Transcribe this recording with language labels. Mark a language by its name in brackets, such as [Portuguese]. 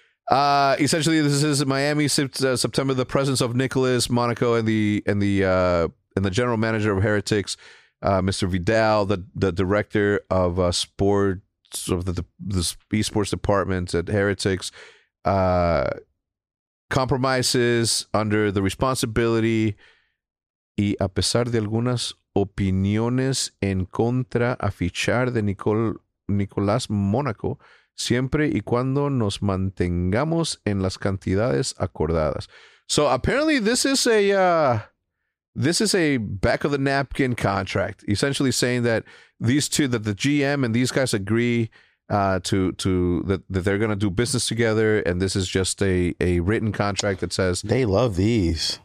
[English] Essentially, this is Miami, September, the presence of Nicholas Monaco and the general manager of Heretics, Mr. Vidal, the director of sports of the esports department at Heretics, compromises under the responsibility. [Spanish] Y a pesar de algunas opiniones en contra a fichar de Nicolás Mónaco, siempre y cuando nos mantengamos en las cantidades acordadas. [English] So apparently this is a back of the napkin contract, essentially saying that these two, that the GM and these guys agree to that they're going to do business together, and this is just a written contract that says... They love these.